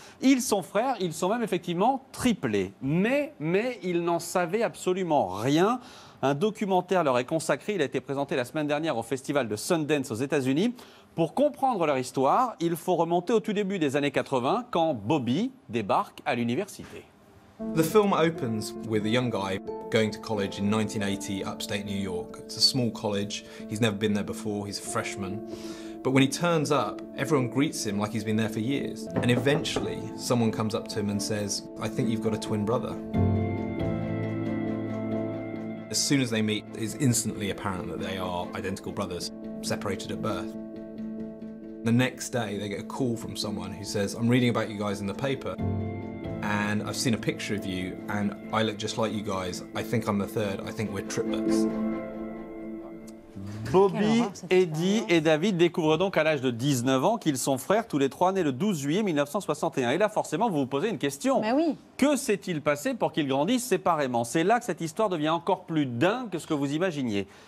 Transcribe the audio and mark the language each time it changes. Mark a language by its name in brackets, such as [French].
[French] Ils sont frères, ils sont même effectivement triplés. Mais ils n'en savaient absolument rien. Un documentaire leur est consacré, il a été présenté la semaine dernière au festival de Sundance aux États-Unis. Pour comprendre leur histoire, il faut remonter au tout début des années 80, quand Bobby débarque à l'université. [English] The film opens with a young guy going to college in 1980 upstate New York. It's a small college, he's never been there before, he's a freshman. But when he turns up, everyone greets him like he's been there for years. And eventually, someone comes up to him and says, I think you've got a twin brother. As soon as they meet, it's instantly apparent that they are identical brothers, separated at birth. The next day, they get a call from someone who says, I'm reading about you guys in the paper, and I've seen a picture of you, and I look just like you guys. I think I'm the third. I think we're triplets. [French] Bobby, Eddie et David découvrent donc à l'âge de 19 ans qu'ils sont frères, tous les trois nés le 12 juillet 1961. Et là, forcément, vous vous posez une question. Mais oui. Que s'est-il passé pour qu'ils grandissent séparément? C'est là que cette histoire devient encore plus dingue que ce que vous imaginiez.